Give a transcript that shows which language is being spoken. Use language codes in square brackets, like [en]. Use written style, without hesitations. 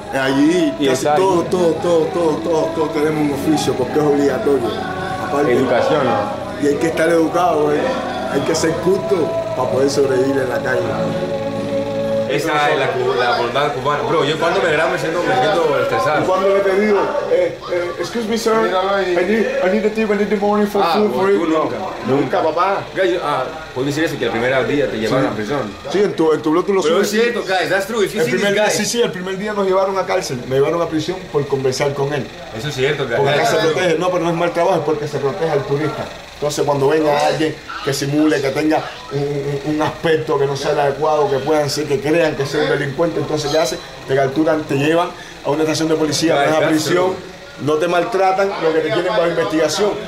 [es] Allí, y casi todos tenemos un oficio porque es obligatorio. Aparte, educación, ¿no? Y hay que estar educado, güey. Hay que ser justo para poder sobrevivir en la calle. Esa es la bondad cubana. Bro, yo cuando me grabo me siento estresado. ¿Y cuando le he pedido? [en] Excuse me, sir. I need a tip in the morning for food for [es] you. Nunca, papá. ¿Puedo decir eso? Que el primer día te llevaron a prisión. Sí, en tu blog tú lo subes. Pero es cierto, guys. [en] That's true. [es] El primer día nos llevaron a cárcel. Me llevaron a prisión por conversar con él. Eso es cierto, guys. Porque acá se protege. No, pero no es mal trabajo. Es porque se protege al turista. Entonces, cuando venga alguien que simule, que tenga un aspecto que no sea el adecuado, que puedan ser, que crean que sea un delincuente, entonces ya hace, te capturan, te llevan a una estación de policía, vas a prisión, no te maltratan, lo que te tienen bajo investigación.